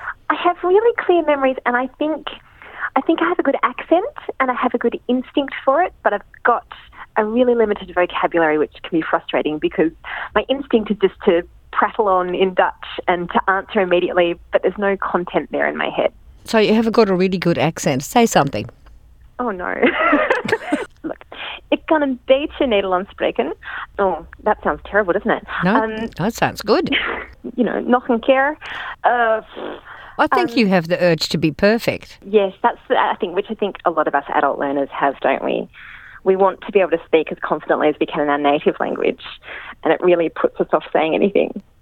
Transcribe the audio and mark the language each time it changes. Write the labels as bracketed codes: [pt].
[en] I have really clear memories, and I think I have a good accent and I have a good instinct for it, but I've got a really limited vocabulary, which can be frustrating because my instinct is just to prattle on in Dutch and to answer immediately, but there's no content there in my head. So you haven't got a really good accent. Say something. Oh, no. [nl] Look, ik kan een beetje Nederlands spreken. [en] Oh, that sounds terrible, doesn't it? No, that sounds good. You know, [nl] nog een keer. [en] I think you have the urge to be perfect. Yes, that's I think a lot of us adult learners have, don't we? We want to be able to speak as confidently as we can in our native language, and it really puts us off saying anything.